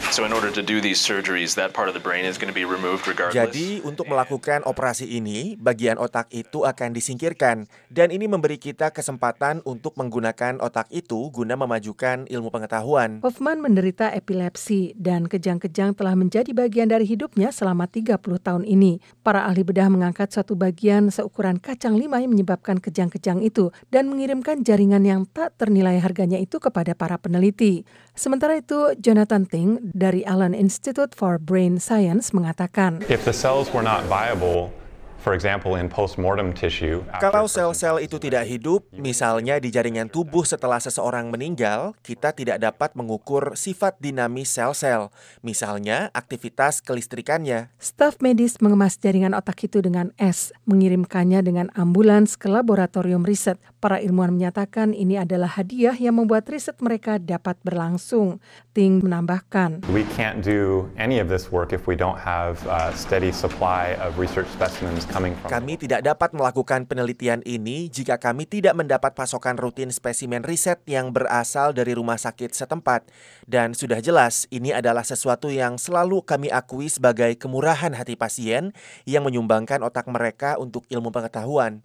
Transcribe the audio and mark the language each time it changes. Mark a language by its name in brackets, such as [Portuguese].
[English] So in order to do these surgeries, that part of the brain is going to be removed regardless. [Indonesian] Jadi untuk melakukan operasi ini, bagian otak itu akan disingkirkan dan ini memberi kita kesempatan untuk menggunakan otak itu guna memajukan ilmu pengetahuan. Hoffman menderita epilepsi dan kejang-kejang telah menjadi bagian dari hidupnya selama 30 tahun ini. Para ahli bedah mengangkat suatu bagian seukuran kacang limau yang menyebabkan kejang-kejang itu dan mengirimkan jaringan yang tak ternilai harganya itu kepada para peneliti. Sementara itu, Jonathan Ting dari Allen Institute for Brain Science mengatakan, [English] "If the cells were not viable, for example in postmortem tissue, [Indonesian] kalau sel-sel itu tidak hidup, misalnya di jaringan tubuh setelah seseorang meninggal, kita tidak dapat mengukur sifat dinamis sel-sel, misalnya aktivitas kelistrikannya." Staf medis mengemas jaringan otak itu dengan es, mengirimkannya dengan ambulans ke laboratorium riset. Para ilmuwan menyatakan ini adalah hadiah yang membuat riset mereka dapat berlangsung. Ting menambahkan, [English] "We can't do any of this work if we don't have a steady supply of research specimens." coming from. [Indonesian] Kami tidak dapat melakukan penelitian ini jika kami tidak mendapat pasokan rutin spesimen riset yang berasal dari rumah sakit setempat. Dan sudah jelas, ini adalah sesuatu yang selalu kami akui sebagai kemurahan hati pasien yang menyumbangkan otak mereka untuk ilmu pengetahuan.